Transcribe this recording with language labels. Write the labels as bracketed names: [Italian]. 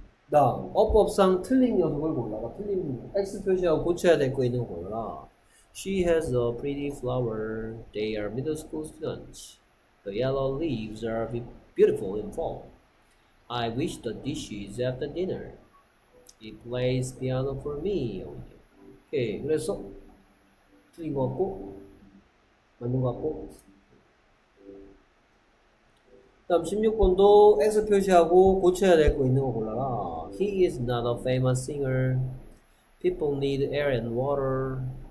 [Korean] 다음, 어법상 틀린 녀석을 골라라. 틀린, X 표시하고 고쳐야 될거 있는 거 골라. [English] She has a pretty flower. They are middle school students. The yellow leaves are beautiful in fall. I wish the dishes after dinner. He plays piano for me. 오케이. [Korean] 그래서 틀린 거 같고 맞는 거 같고. 다음 16번도 X 표시하고 고쳐야 될거 있는 거 골라라. [English] He is not a famous singer. People need air and water.